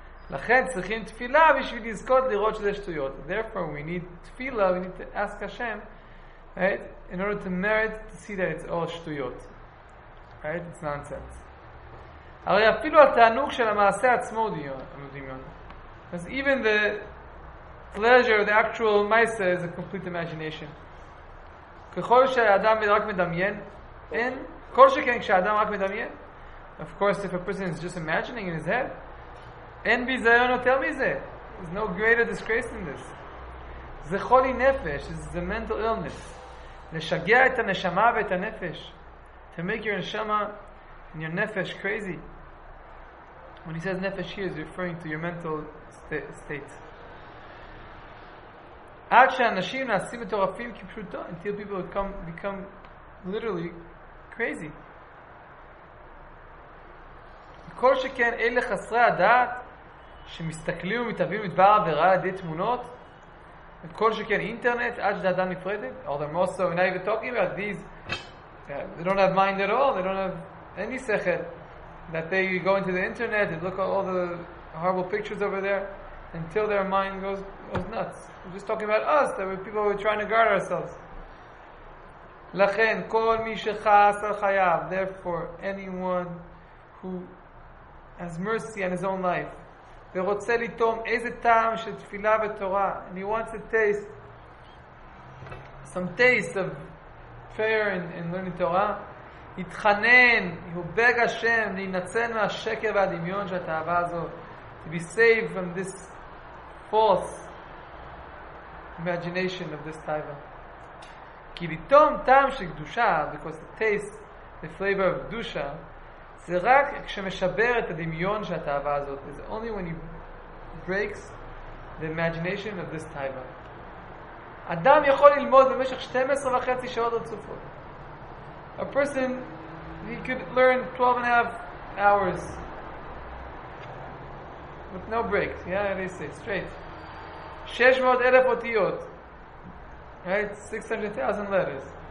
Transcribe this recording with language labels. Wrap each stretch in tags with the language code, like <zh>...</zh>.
<he>לכן צריכים תפילה בשביל לזכות לראות שזה שטויות.</he> <en>Therefore we need תפילה, we need to ask Hashem, right? In order to merit to see that it's all shtuyot. Right? It's nonsense.</en> <he>הרי אפילו התענוג של המעשה עצמו דמיון.</he> <en>Because even the pleasure, the actual maisa, is a complete imagination.</en> <he>ככל שהאדם רק מדמיין, אין, כל שכן כשהאדם רק מדמיין,</he> <en>of course, if a person is just imagining in his head,</en> <he>אין ביזיון יותר מזה.</he> <en>There's no greater disgrace than this.</en> <he>זה חולי נפש,</he> <en>this is a mental illness.</en> <he>לשגע את הנשמה ואת הנפש.</he> <en>To make your neshama and your nefesh crazy. When he says nefesh here, he's referring to your mental state.</en> <he>עד שאנשים נעשים מטורפים כפשוטו,</he> <en>until people become literally crazy.</en> <he>כל שכן אלה חסרי הדעת, שמסתכלים ומתאבים מדבר עבירה על ידי תמונות, כל שכן אינטרנט, עד שדעתם נפרדת,</he> <en>or they're more so, and I even talking about these, they don't have mind at all, they don't have any sechel, that they go into the internet and look at all the horrible pictures over there, until their mind goes nuts. We're just talking about us, that we're people who are trying to guard ourselves.</en> <he>לכן, כל מי שחס על חייו,</he> <en>therefore, anyone who has mercy on his own life,</en> <he>ורוצה לטעום איזה טעם של תפילה ותורה.</he> <en>And he wants a taste, some taste of prayer and learning Torah.</en> <he>התחנן, הוא בג השם, להינצל מהשקר והדמיון של התאווה הזו.</he> <en>To be saved from this false imagination of this taiva.</en> <he>כי לטעום טעם של קדושה,</he> <en>because the taste, the flavor of</en> <he>קדושה, זה רק כשמשבר את הדמיון של התאווה הזאת.</he> <en>It's only when he breaks the imagination of this taiva.</en> <he>אדם יכול ללמוד במשך 12 וחצי שעות רצופות.</he> <en>A person, he could learn 12 and a half hours with no breaks. Yeah, they say, straight. 600</en> <he>אלף אותיות.</he> <en>Right? 600,000 letters.</en>